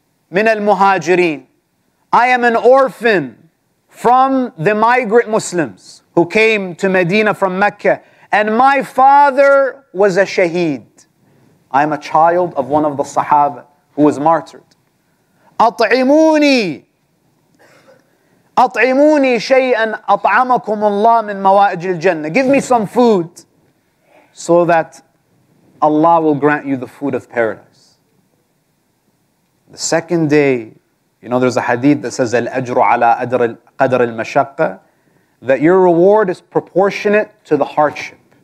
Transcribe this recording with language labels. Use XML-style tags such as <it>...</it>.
<ar>Min al-muhajirin.</ar> <en>I am an orphan from the migrant Muslims who came to Medina from Mecca. And my father was a shaheed. I am a child of one of the Sahaba who was martyred.</en> <ar>At'imuni. أطعموني شيئا أطعمكم الله من موائج الجنة.</ar> <en>Give me some food so that Allah will grant you the food of paradise. The second day, you know, there's a hadith that says</en> <ar>الأجر على قدر المشقة,</ar> <en>that your reward is proportionate to the hardship.</en>